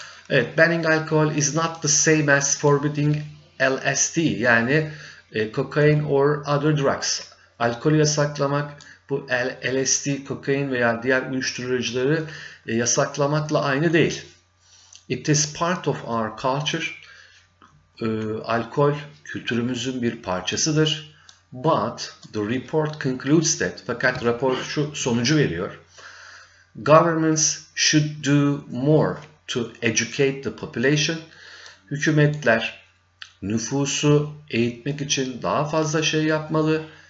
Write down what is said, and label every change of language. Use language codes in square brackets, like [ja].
[tr] Evet, [en] banning alcohol is not the same as forbidding LSD, [tr] yani kokain [en] or other drugs. [tr] Alkolü yasaklamak, bu LSD, kokain veya diğer uyuşturucuları yasaklamakla aynı değil. [en] It is part of our culture. [tr] Alkol kültürümüzün bir parçasıdır. [en] But the report concludes that, [tr] fakat rapor şu sonucu veriyor. [en] Governments should do more to educate the population. [tr] Hükümetler nüfusu eğitmek için daha fazla şey yapmalı.